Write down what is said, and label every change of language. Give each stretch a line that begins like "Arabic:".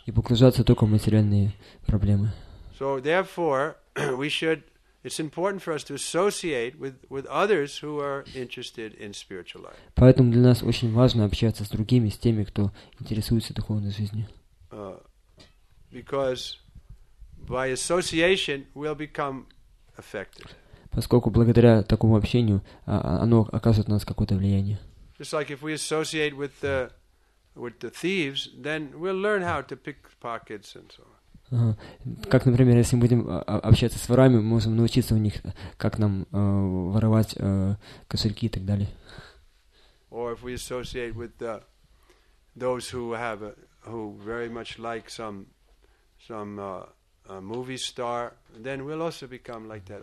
Russian: И погружаться только в материальные проблемы.
English: So therefore, we should. It's important for us to associate with others who are interested in spiritual life.
Russian: Поэтому для нас очень важно общаться с другими, с теми, кто интересуется духовной жизнью.
English: Because by association we'll become affected.
Russian: Поскольку благодаря такому общению оно окажет на нас какое-то влияние.
English: Just like if we associate with the thieves, then we'll learn how to pick pockets and so on.
Russian: Как, например, если мы будем общаться с ворами, мы можем научиться у них, как нам воровать кошельки и так далее.
English: Or if we associate with those who have who very much like some movie star, then we'll also become like that.